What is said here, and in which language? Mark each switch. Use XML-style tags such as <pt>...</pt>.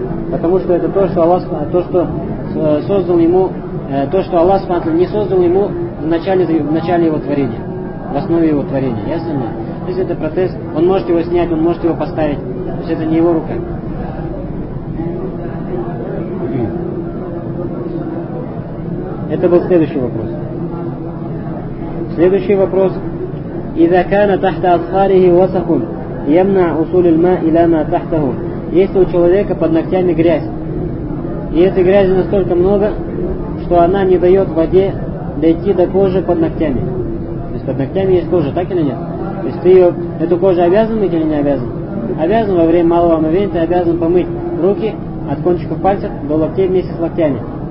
<ru>Потому что это то, что Аллах, то, что создал ему, то, что Аллах не создал ему в начале его творения, в основе его творения. Ясно ли? То есть это протез, он может его снять, он может его поставить. есть это не его рука. Это был следующий вопрос. Следующий вопрос.</ru> <ar>إذا كان تحت أصخاره وسخ يمنع وصول الماء إلى ما تحته.</ar> <ru>Если у человека под ногтями грязь, и этой грязи настолько много, что она не дает воде дойти до кожи под ногтями. То есть под ногтями есть кожа, так или нет? То есть ты ее, эту кожу обязан мыть или не обязан? Обязан во время малого омовения, ты обязан помыть руки от кончиков пальцев до локтей вместе с локтями.</ru>